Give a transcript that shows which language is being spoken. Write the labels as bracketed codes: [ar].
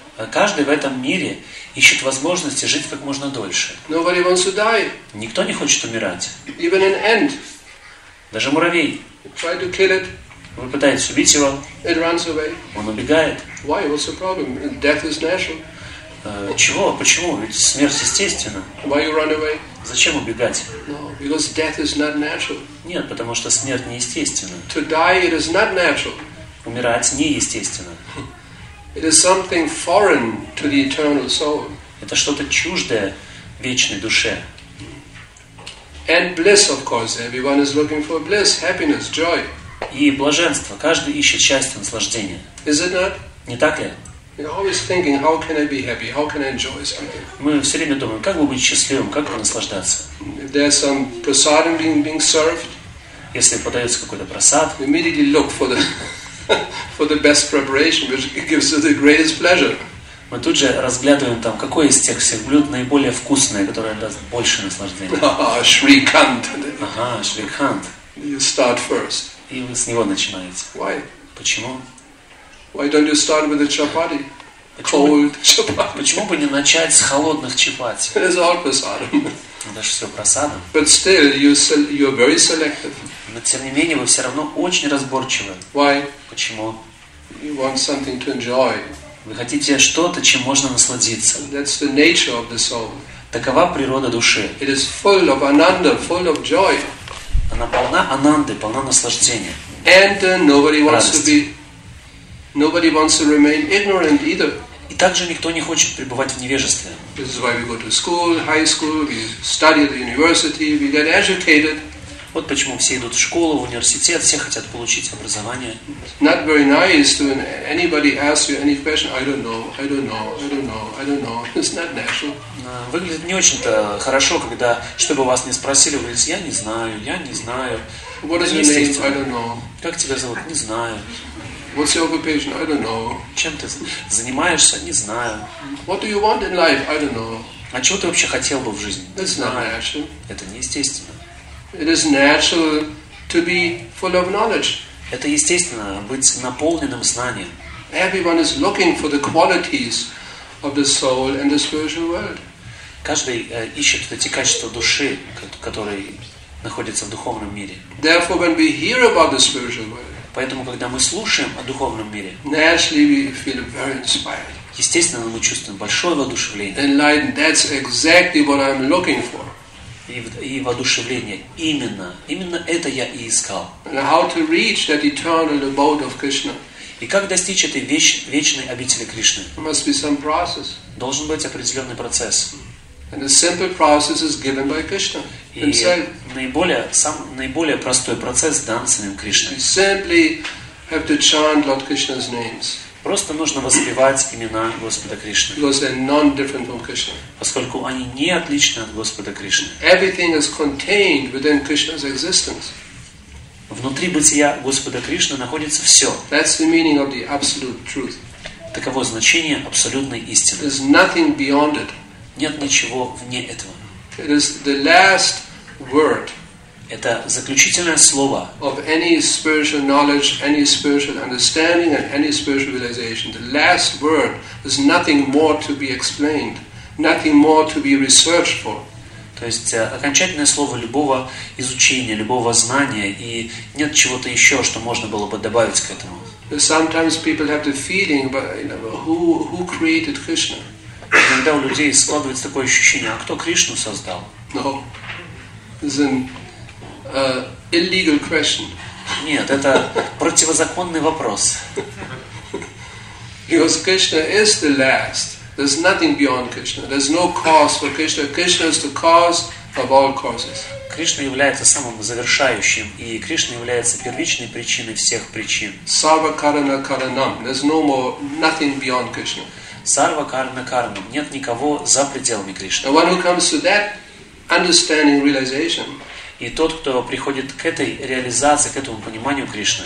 [ru] Каждый в этом мире ищет возможности жить как можно дольше. [en] Nobody wants to die. [ru] Никто не хочет умирать. [en] Even an ant. [ru] Даже муравей. [en] Try to kill it. [ru] Вы пытаетесь убить его. [en] It runs away. [ru] Он убегает. [en] Why? What's the problem? Death is natural. [ru] Чего? Почему? Ведь смерть естественна. [en] Why you run away? [ru] Зачем убегать? [en] No, because death is not natural. [ru] Нет, потому что смерть неестественна. [en] To die, it is not natural. [ru] Умирать неестественно. [en] It is something foreign to the eternal soul. [ru] Это что-то чуждое вечной душе. [en] And bliss, of course. Everyone is looking for bliss, happiness, joy. [ru] И блаженство. Каждый ищет счастье, наслаждение. [en] Is it not? [ru] Не так ли? [en] You're always thinking, how can I be happy? How can I enjoy something? [ru] Мы все время думаем, как бы быть счастливым, как бы наслаждаться. [en] If there's some prasadam being served, [ru] если подается какой-то просад, [en] we immediately look for the for the best preparation, which gives us the greatest pleasure. [ru] Мы тут же разглядываем там, какое из тех всех блюд наиболее вкусное, которое даст больше наслаждения. Шрикант. Ага, Шрикант. [en] You start first. [ru] И вы с него начинаете. [en] Why? [ru] Почему? [en] Why don't you start with the chapati? Cold chapati. [ru] Почему бы не начать с холодных чапати? [en] It's all prasadam. [ru] Даже все просада. [en] But still, you're very selective. [ru] Но тем не менее вы все равно очень разборчивы. [en] Why? [ru] Почему? [en] You want something to enjoy. [ru] Вы хотите что-то, чем можно насладиться. [en] That's the nature of the soul. [ru] Такова природа души. [en] It is full of ananda, full of joy. [ru] Она полна ананды, полна наслаждения. [en] And nobody wants to be. Nobody wants to remain ignorant either. [ru] И также никто не хочет пребывать в невежестве. [en] This is why we go to school, high school, we study at the university, we get educated. [ru] Вот почему все идут в школу, в университет, все хотят получить образование. [en] Not very nice to anybody ask you any question. I don't know, I don't know, I don't know, I don't know. It's not natural. [ru] Выглядит не очень-то хорошо, когда, чтобы вас не спросили, вы говорите, я не знаю, я не знаю. [en] What is your name? I don't know. [ru] Как тебя зовут? Не знаю. [en] What's your occupation? I don't know. [ru] Чем ты занимаешься? Не знаю. [en] What do you want in life? I don't know. [ru] А чего ты вообще хотел бы в жизни? [en] That's not natural. [ru] Это неестественно. [en] It is natural to be full of knowledge. [ru] Это естественно быть наполненным знанием. [en] Everyone is looking for the qualities of the soul and the spiritual world. [ru] Каждый ищет эти качества души, которые находятся в духовном мире. [en] Therefore, when we hear about the spiritual world, [ru] поэтому, когда мы слушаем о духовном мире, [en] naturally we feel very inspired. [ru] Естественно, мы чувствуем большое воодушевление. [en] Enlightened. That's exactly what I'm looking for. [ru] И воодушевление. Именно это я и искал. [en] And how to reach that eternal abode of Krishna? [ru] И как достичь этой вечной обители Кришны? [en] There must be some process. [ru] Должен быть определенный процесс. [en] And the simple process is given by Krishna himself. [ru] Наиболее простой процесс дан самим Кришной. [en] You simply have to chant Lord Krishna's names. [ru] Просто нужно воспевать имена Господа Кришны. [en] Because they are non-different from Krishna. [ru] Поскольку они не отличны от Господа Кришны. [en] Everything is contained within Krishna's existence. [ru] Внутри бытия Господа Кришны находится все. [en] That's the meaning of the absolute truth. [ru] Таково значение абсолютной истины. [en] There's nothing beyond it. [ru] Нет ничего вне этого. [en] It is the last word. [ru] Это заключительное слово. [en] Of any spiritual knowledge, any spiritual understanding, and any spiritual realization, the last word is nothing more to be explained, nothing more to be researched for. [ru] То есть окончательное слово любого изучения, любого знания, и нет чего-то еще, что можно было бы добавить к этому. [en] Sometimes people have the feeling, but you know, who created Krishna? [ru] Иногда у людей складывается такое ощущение, а кто Кришну создал? [en] No. It's an illegal question. [ru] Нет, это противозаконный вопрос. [en] Because Krishna is the last. There's nothing beyond Krishna. There's no cause for Krishna. Krishna is the cause of all causes. [ru] Кришна является самым завершающим, и Кришна является первичной причиной всех причин. [sa] Sarva karana karanam. [en] There's no more, nothing beyond Krishna. [sa] Sarva karana karanam. [ru] Нет никого за пределами Кришны. [en] And one who comes to that understanding, realization. [ru] И тот, кто приходит к этой реализации, к этому пониманию Кришны.